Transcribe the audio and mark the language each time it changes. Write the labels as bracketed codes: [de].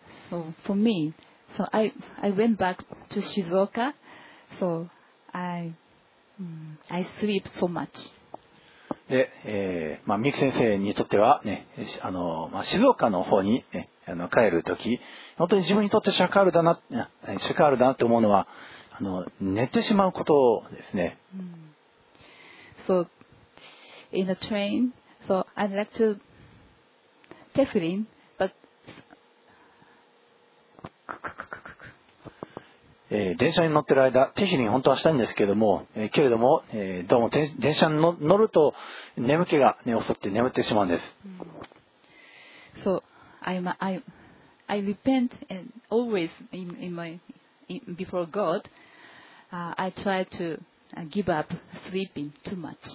[en] So for me, so I went back to Shizuoka, so I sleep so much. [ja] で、まあ、三木先生にとってはね、まあ、静岡の方に、ね、帰るとき、本当に自分にとってシャカールだな、シャカールだなと思うのは、寝てしまうことですね。 [en] So in the train, so I'd like to tefillin. [ja] 電車に乗ってる間テヒリン本当はしたいんですけども、けれども、どうも電車に乗ると眠気が、ね、襲って眠ってしまうんです。 [en] So I repent and always in before God, I try to give up sleeping too much.